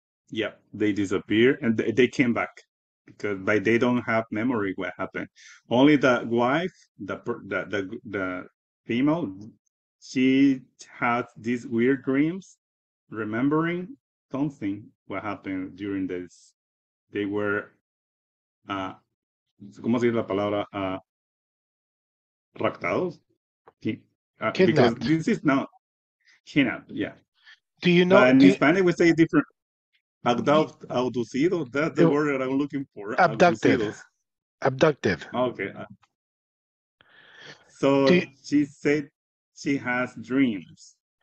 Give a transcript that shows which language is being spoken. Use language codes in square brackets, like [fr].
[en] Yeah, they disappeared and they came back because but they don't have memory what happened. Only the wife, the female, she had these weird dreams, remembering something what happened during this. They were, [es] ¿cómo se dice la palabra? Raptados. [en] Kidnapped. Because this is not kidnapped, yeah. Do you know? In Spanish, we say it different. Abducido, that's the word that I'm looking for. Abducted. Abducted. Okay. So she said she has dreams.